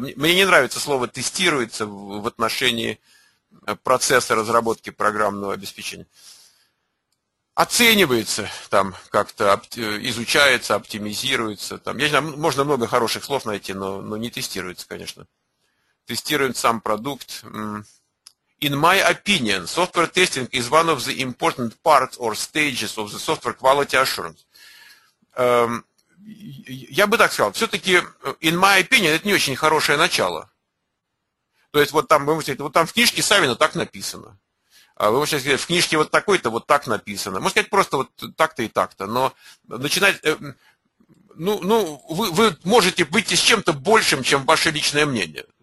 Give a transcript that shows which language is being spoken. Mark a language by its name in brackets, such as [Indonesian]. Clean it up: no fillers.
[Russian] Мне не нравится слово «тестируется» в отношении процесса разработки программного обеспечения. Оценивается там как-то, изучается, оптимизируется. Там, я не знаю, можно много хороших слов найти, но не тестируется, конечно. Тестирует сам продукт. [English] In my opinion, software testing is one of the important parts or stages of the software quality assurance. [Russian] Я бы так сказал, все-таки, [English] in my opinion, [Russian] это не очень хорошее начало. То есть, вот там, вы можете сказать, вот там в книжке Савина так написано. А вы можете сказать, в книжке вот такой-то вот так написано. Можно сказать, просто вот так-то и так-то. Но начинать... вы можете быть с чем-то большим, чем ваше личное мнение.